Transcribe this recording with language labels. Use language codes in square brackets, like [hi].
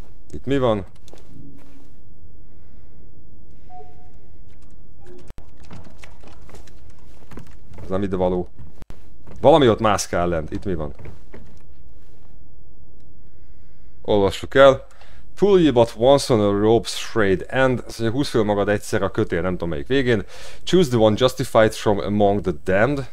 [hu] Itt mi van? Ez nem ide való. Valami ott mászkál lent, itt mi van? Olvassuk el. [en] Pull ye but once on a rope's frayed end. [hu] Ez mondja, húzd fel magad egyszer a kötél, nem tudom melyik végén. [en] Choose the one justified from among the damned.